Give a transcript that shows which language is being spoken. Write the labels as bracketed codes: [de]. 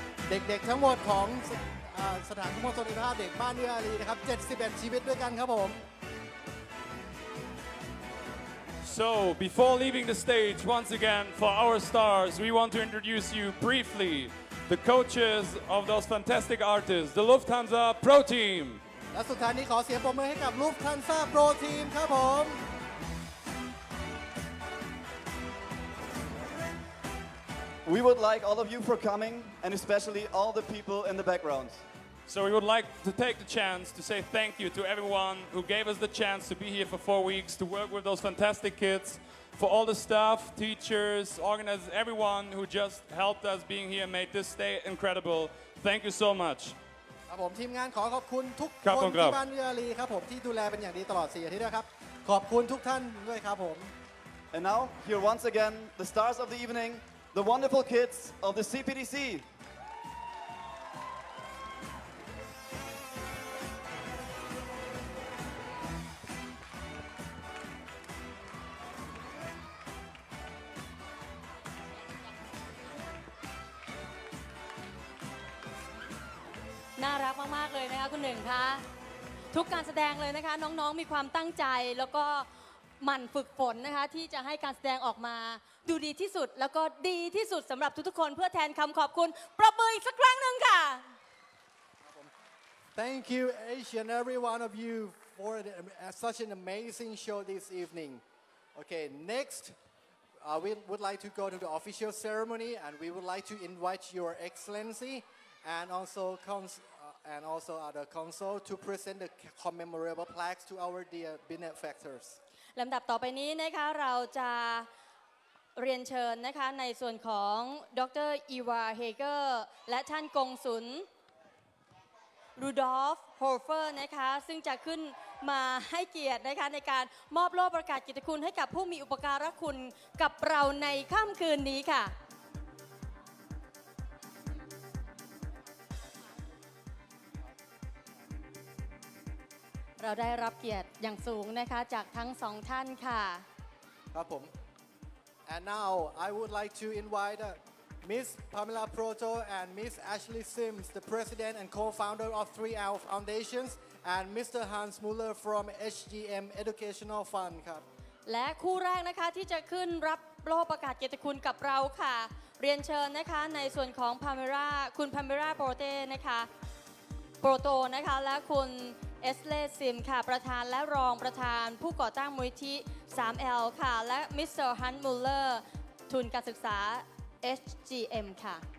[th] เด็กๆทั้งหมดของสถานทูตสันติภาพเด็กบ้านเอื้ออารีนะครับ71ชีวิตด้วยกันครับผม [en] So, before leaving the stage once again for our stars, we want to introduce you briefly the coaches of those fantastic artists, the Lufthansa Pro Team. [th] และสุดท้ายนี้ขอเสียงปรบมือให้กับ Lufthansa Pro Team ครับผม [en] We would like all of you for coming, and especially all the people in the background. So we would like to take the chance to say thank you to everyone who gave us the chance to be here for 4 weeks to work with those fantastic kids, for all the staff, teachers, organizers, everyone who just helped us being here and made this day incredible. Thank you so much. [th] ครับผมทีมงานขอขอบคุณทุกคนที่บ้านเรือลีครับผมที่ดูแลเป็นอย่างดีตลอด4อาทิตย์ด้วยครับขอบคุณทุกท่านด้วยครับผม [en] And now here once again the stars of the evening. The wonderful kids of the CPDC. [th] น่ารักมากๆเลยนะคะคุณหนึ่งคะทุกการแสดงเลยนะคะน้องๆมีความตั้งใจแล้วก็ หมั่นฝึกฝนนะคะที่จะให้การแสดงออกมาดูดีที่สุดแล้วก็ดีที่สุดสำหรับทุกๆคนเพื่อแทนคำขอบคุณปรบมืออีกสักครั้งหนึ่งค่ะ [en] Thank you each and every one of you for such an amazing show this evening. Okay, next we would like to go to the official ceremony and we would like to invite your excellency and also other council to present the commemorative plaques to our dear benefactors. [th] ลำดับต่อไปนี้นะคะเราจะเรียนเชิญนะคะในส่วนของดร. อีวาเฮเกอร์และท่านกงสุลรูดอล์ฟโฮเฟอร์นะคะซึ่งจะขึ้นมาให้เกียรตินะคะในการมอบโล่ประกาศกิตติคุณให้กับผู้มีอุปการะคุณกับเราในค่ำคืนนี้ค่ะ สว เราได้รับเกียรติอย่างสูงนะคะจากทั้งสองท่านค่ะ ครับผม [en] and now I would like to invite Miss Pamela Proto and Miss Ashley Sims the president and co-founder of 3L Foundations and Mr. Hans Muller from HGM Educational Fund ครับ [th] และคู่แรกนะคะที่จะขึ้นรับโล่ประกาศเกียรติคุณกับเราค่ะเรียนเชิญนะคะในส่วนของพาเมร่าคุณพาเมร่าโปรเต้นะคะโปรโตนะคะและคุณเอสเลซิมค่ะประธานและรองประธานผู้ก่อตั้งมูลนิธิ 3L ค่ะและมิสเตอร์ฮันต์มูลเลอร์ทุนการศึกษา HGM ค่ะ